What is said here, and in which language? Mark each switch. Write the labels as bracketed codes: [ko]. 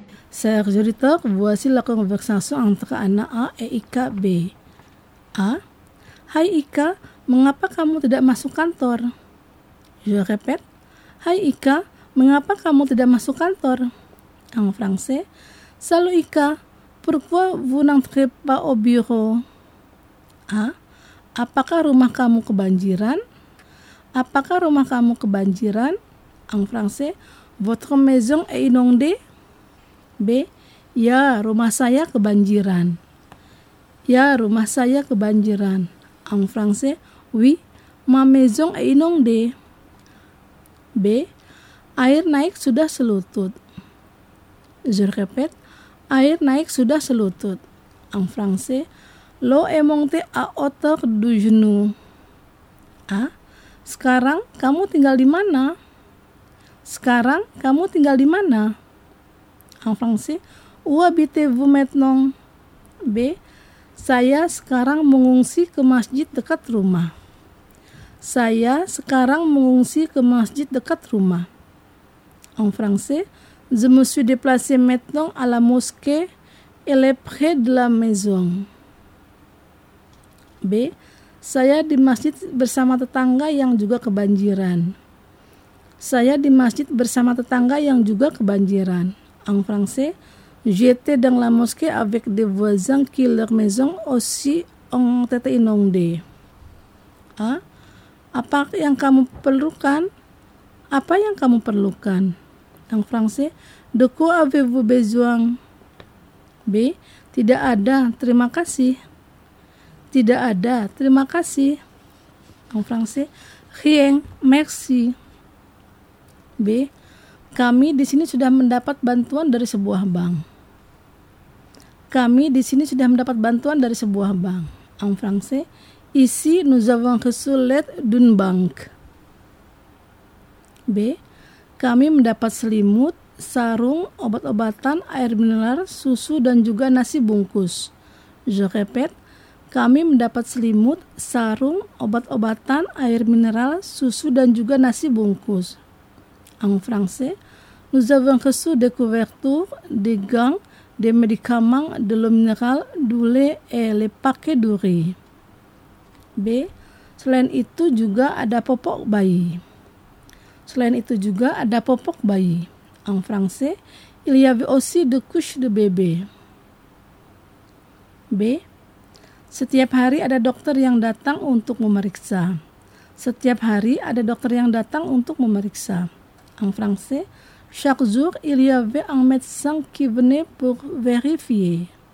[fr] Chers auditeurs, voici la conversation entre Anna A et Ika B. A. [id] Hai Ika, mengapa kamu tidak masuk kantor? [fr] Je répète. [id] Hai Ika, mengapa kamu tidak masuk kantor? [fr] En français. Salut Ika, pourquoi vous n'entrez pas au bureau? A. [id] Apakah rumah kamu kebanjiran? Apakah rumah kamu kebanjiran? [fr] En français. Votre maison est inondée? B. [id] Ya, rumah saya kebanjiran. Ya, rumah saya kebanjiran. [fr] En français, oui, ma maison est inondée. B. [id] Air naik sudah selutut. [fr] Je répète, [id] air naik sudah selutut. [fr] En français, l'eau est montée à hauteur du genou. A. [id] Sekarang kamu tinggal di mana? Sekarang kamu tinggal di mana? [fr] En français, où habitez-vous maintenant? B. [id] Saya sekarang mengungsi ke masjid dekat rumah. Saya sekarang mengungsi ke masjid dekat rumah. [fr] En français, je me suis déplacé maintenant à la mosquée. Elle est près de la maison. B. [id] Saya di masjid bersama tetangga yang juga kebanjiran. Saya di masjid bersama tetangga yang juga kebanjiran. [fr] En français, j'étais dans la mosquée avec des voisins qui leur maison aussi ont été inondées. A. [id] Apa yang kamu perlukan? Apa yang kamu perlukan? [fr] En français, de quoi avez-vous besoin? [id] B. Tidak ada, terima kasih. Tidak ada, terima kasih. [fr] En français, rien, merci. B. [id] Kami di sini sudah mendapat bantuan dari sebuah bank. Kami di sini sudah mendapat bantuan dari sebuah bank. [fr] En français, ici nous avons reçu l'aide d'une banque. [id] B. Kami mendapat selimut, sarung, obat-obatan, air mineral, susu dan juga nasi bungkus. [fr] Je répète, [id] kami mendapat selimut, sarung, obat-obatan, air mineral, susu dan juga nasi bungkus. [fr] En français, nous avons reçu des couvertures, des gants, des médicaments, de l'eau minérale, du lait et les paquets de riz. B. [id] Selain itu juga ada popok bayi. Selain itu juga ada popok bayi. [fr] En français, il y avait aussi des couches de bébé. B. [id] Setiap hari ada dokter yang datang untuk memeriksa. Setiap hari ada dokter yang datang untuk memeriksa. [fr] En français, chaque jour il y avait un médecin qui venait pour vérifier.